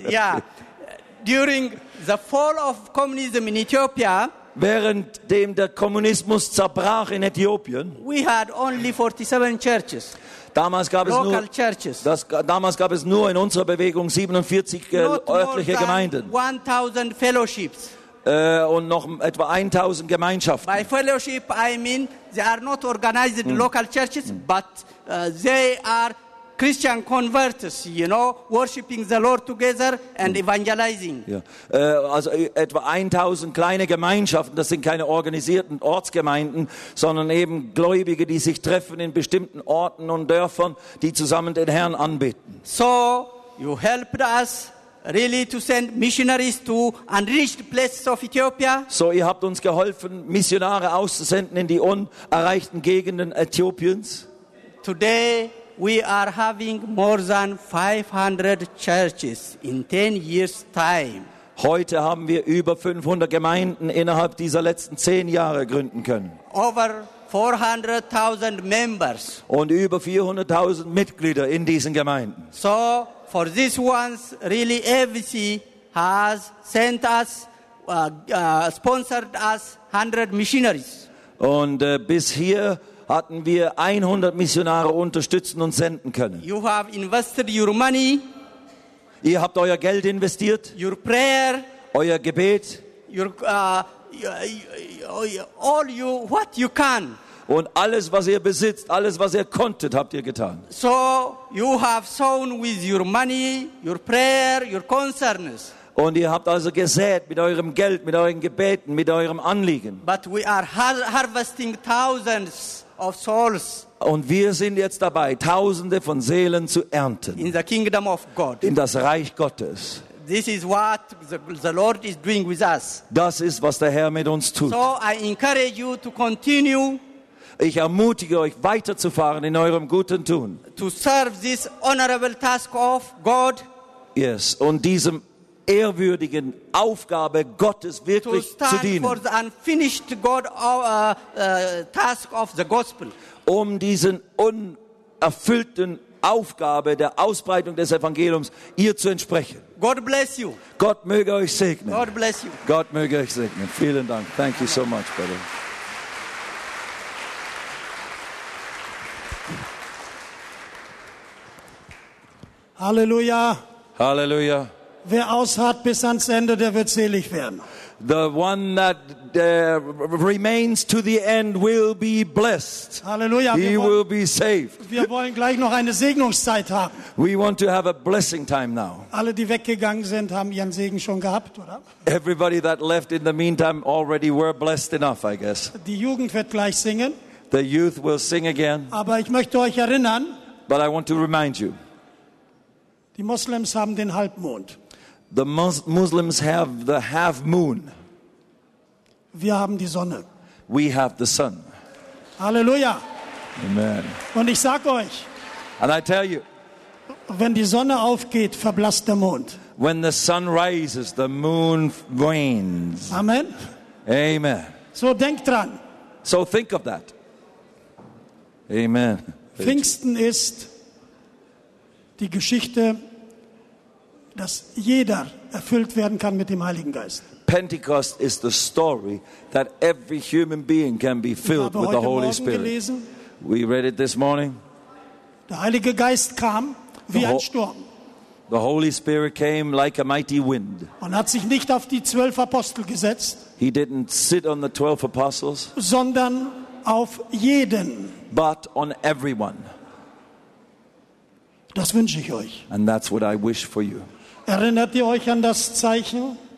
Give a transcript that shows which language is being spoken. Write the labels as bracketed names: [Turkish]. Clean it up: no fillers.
[English] Yeah. During the fall of communism in Ethiopia, [German] während dem der Kommunismus zerbrach in Äthiopien, [English] we had only 47 churches. [German] Damals gab es nur [English] churches. [German] Damals gab es nur in unserer Bewegung 47 örtliche Gemeinden. [English] 1000 fellowships. [German] Und noch etwa 1000 Gemeinschaften. [English] By fellowship I mean they are not organized local churches, but they are Christian converts, you know, worshiping the Lord together and evangelizing. [German] Ja. Also etwa 1000 kleine Gemeinschaften, das sind keine organisierten Ortsgemeinden, sondern eben Gläubige, die sich treffen in bestimmten Orten und Dörfern, die zusammen den Herrn anbeten. [English] So, you helped us really to send missionaries to unreached places of Ethiopia. [German] So, ihr habt uns geholfen, Missionare auszusenden in die unerreichten Gegenden Äthiopiens. [English] Today, we are having more than 500 churches in 10 years' time. [German] Heute haben wir über 500 Gemeinden innerhalb dieser letzten 10 Jahre gründen können. [English] Over 400,000 members. [German] Und über 400,000 Mitglieder in diesen Gemeinden. [English] So, for these ones, really, AVC has sent us, sponsored us 100 missionaries. [German] Und bis hier hatten wir 100 Missionare unterstützen und senden können. [English] You have invested your money, [German] ihr habt euer Geld investiert, [English] your prayer, [German] euer Gebet, [English] your, all you, what you can. [German] Und alles, was ihr besitzt, alles, was ihr konntet, habt ihr getan. [English] So, you have sown with your money, your prayer, your concerns. [German] Und ihr habt also gesät mit eurem Geld, mit euren Gebeten, mit eurem Anliegen. [English] But we are harvesting thousands of souls. [German] Und wir sind jetzt dabei, Tausende von Seelen zu ernten. [English] In the kingdom of God. [German] In das Reich Gottes. [English] This is what the Lord is doing with us. [German] Das ist, was der Herr mit uns tut. [English] So I encourage you to continue. [German] Ich ermutige euch, weiterzufahren in eurem guten Tun. [English] To serve this honorable task of God. [German] Yes, und diesem ehrwürdigen Aufgabe Gottes wirklich [English] to stand [German] zu dienen. [English] For the unfinished God, task of the gospel. [German] Um diesen unerfüllten Aufgabe der Ausbreitung des Evangeliums ihr zu entsprechen. [English] God bless you. [German] Gott möge euch segnen. [English] God bless you. [German] Gott möge euch segnen. Vielen Dank. [English] Thank you so much, brother. [German] Halleluja. Halleluja. Wer ausharrt bis ans Ende, der wird selig werden. [English] The one that remains to the end will be blessed. Halleluja. He will be saved. [German] Wir wollen gleich noch eine Segnungszeit haben. [English] We want to have a blessing time now. [German] Alle, die weggegangen sind, haben ihren Segen schon gehabt, oder? [English] Everybody that left in the meantime already were blessed enough, I guess. [German] Die Jugend wird gleich singen. [English] The youth will sing again. [German] Aber ich möchte euch erinnern. [English] But I want to remind you. [German] Die Muslims haben den Halbmond. [English] The Muslims have the half moon. [German] Wir haben die Sonne. [English] We have the sun. Halleluja. Amen. [German] Und ich sag euch, [English] and I tell you, [German] wenn die Sonne aufgeht, verblasst der Mond. [English] When the sun rises, the moon wanes. Amen. Amen. [German] So denk dran. [English] So think of that. Amen. [German] Pfingsten ist die Geschichte, dass jeder erfüllt werden kann mit dem Heiligen Geist. [English] Pentecost is the story that every human being can be filled with the Holy Spirit. [German] Gelesen. [English] We read it this morning. [German] Der Heilige Geist kam wie ein Sturm. [English] The Holy Spirit came like a mighty wind. [German] Und hat sich nicht auf die 12 Apostel gesetzt. [English] He didn't sit on the 12 apostles. [German] Sondern auf jeden. [English] But on everyone. [German] Das wünsche ich euch. [English] And that's what I wish for you. [German] Erinnert ihr euch an das Zeichen?